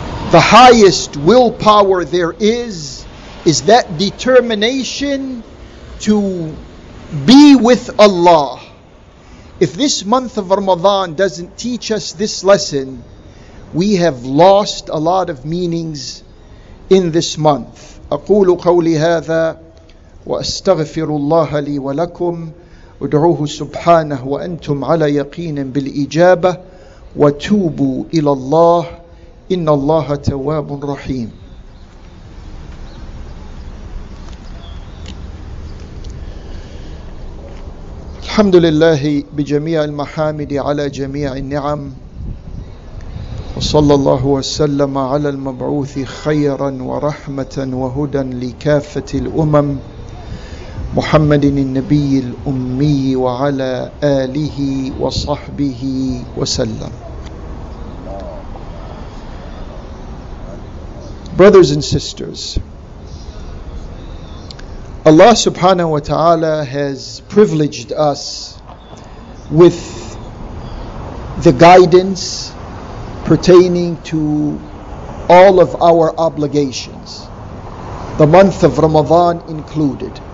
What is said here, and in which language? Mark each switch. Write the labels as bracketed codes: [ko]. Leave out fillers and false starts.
[en] The highest willpower there is that determination to be with Allah. If this month of Ramadan doesn't teach us this lesson, we have lost a lot of meanings in this month. [ar] أقول قولي هذا وأستغفر الله لي ولكم ادعوه سبحانه وأنتم على يقين بالإجابة وتوبوا إلى الله إن الله تواب رحيم. الحمد لله بجميع المحامد على جميع النعم وصلى الله وسلم على المبعوث خيرا ورحمة وهدى لكافة الأمم محمد النبي الأمي وعلى آله وصحبه وسلم. [en] Brothers and sisters, Allah subhanahu wa ta'ala has privileged us with the guidance pertaining to all of our obligations, the month of Ramadan included.